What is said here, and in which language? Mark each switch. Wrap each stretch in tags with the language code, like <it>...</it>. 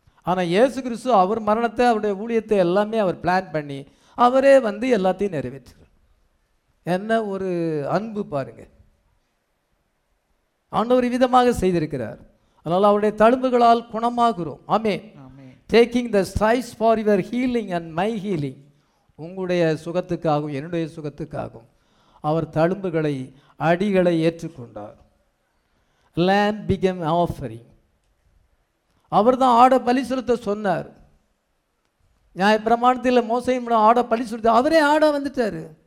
<ta>ஆனால் இயேசு கிறிஸ்து அவர் மரணத்தை, அவருடைய ஊழியத்தை எல்லாமே அவர் பிளான் பண்ணி அவரே வந்து எல்லாத்தையும் நிறைவேற்றுறார். என்ன ஒரு அன்பு பாருங்கள். ஆண்டவர் விதமாக செய்திருக்கிறார். அதனால் அவருடைய தழும்புகளால் குணமாகிறோம். ஆமென்.</ta> <en>Taking the stripes for your healing and my healing.</en> <ta>உங்களுடைய சுகத்துக்காகவும் என்னுடைய சுகத்துக்காகவும் அவர் தழும்புகளை, அடிகளை ஏற்றுக்கொண்டார்.</ta> <en>Lamb became offering.</en> <ta>அவர் தான் ஆடை பலி செலுத்த சொன்னார். நியாயப்பிரமாணத்தில் மோசையும் ஆடை பலி செலுத்த அவரே ஆடாக வந்துட்டார்.</ta>